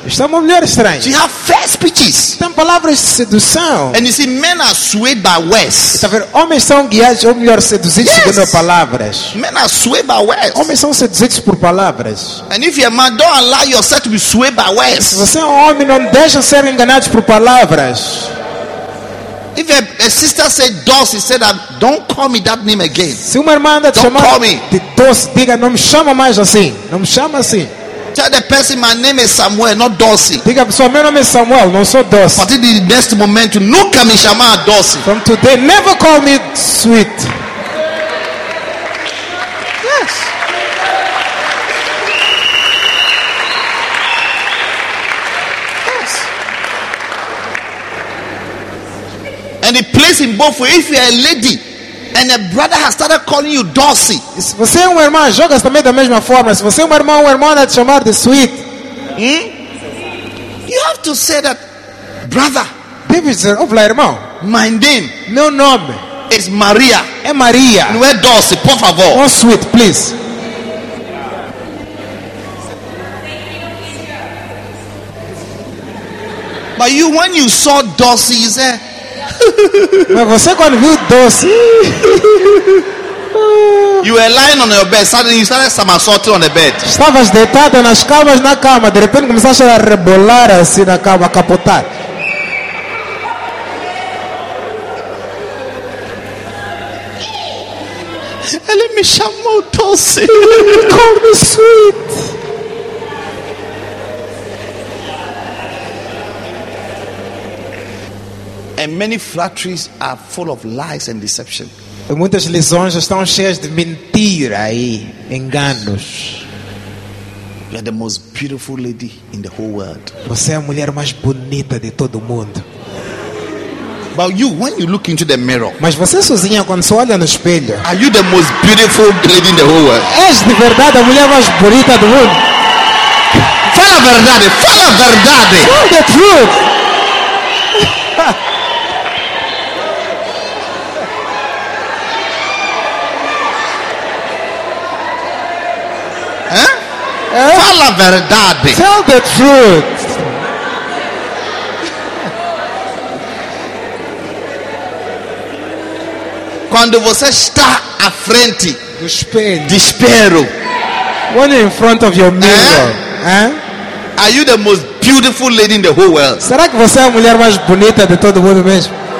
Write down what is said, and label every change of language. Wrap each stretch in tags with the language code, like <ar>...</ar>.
<pt>Está uma mulher estranha.</pt> <en>She has fair speeches.</en> <pt>Tem palavras de sedução.</pt> <en>And you see, men are swayed by words.</en> <pt>Está vendo? Homens são guiados, ou melhor, seduzidos,</pt> <en>yes,</en> <pt>segundo palavras.</pt> <en>Men are swayed by words.</en> <pt>Homens são seduzidos por palavras.</pt> <en>And if you're a man, don't allow yourself to be swayed by words.</en> <pt>Se você é homem, não deixa ser enganado por palavras.</pt> <en>If a sister said dos, he said that, don't call me that name again.</en> <pt>Se uma irmã</pt> <en>don't call me</en> <pt>de dos, diga, não me chama mais assim. Não me chama assim.</pt> <en>Tell the person my name is Samuel, not Dorsey.</en> <pt>Diga, pessoal, meu nome é Samuel, não sou Dorsey.</pt> <en>But in the next moment, you</en> <pt>nunca me chamar Dorsey.</pt> <en>From today, never call me sweet. Yes. Yes. And it plays in both ways. If you are a lady and a brother has started calling you Dorsey.</en> <pt>Se você é um irmão, joga também da mesma forma. Se você é um irmão vai te chamar de sweet.</pt> <en>Hmm? You have to say that, brother. David said, oh,</en> <pt>irmão.</pt> <en>My name.</en> <pt>Meu nome.</pt> <en>Is Maria.</en> <pt>É Maria. Não é Dorsey, por favor.</pt> <en>Oh, sweet, please. But you, when you saw Dorsey, you said,</en> <pt>mas você quando viu Dorsey,</pt> <en>you were lying on your bed, suddenly you started somersaulting on the bed.</en> <pt>Estavas deitado nas camas na cama, de repente começaste a rebolar assim na cama, a capotar. Ele me chamou Dorsey.</pt> <en>Call me sweet. And many flatteries are full of lies and deception.</en> <pt>Muitas lições estão cheias de mentira e enganos.</pt> <en>You are the most beautiful lady in the whole world.</en> <pt>Você é a mulher mais bonita de todo o mundo.</pt> <en>But you, when you look into the mirror,</en> <pt>mas você sozinha quando se olha no espelho,</pt> <en>are you the most beautiful lady in the whole world?</en> <pt>És de verdade a mulher mais bonita do mundo? Fala a verdade, fala a verdade.</pt> <en>Tell the truth. Tell the</en> <pt>verdade.</pt> <en>Tell the truth.</en> <pt>Quando você está à frente do espelho, despero.</pt> <en>When in front of your mirror, are you the most beautiful lady in the whole world?</en> <pt>Será que você é a mulher mais bonita de todo mundo mesmo?</pt>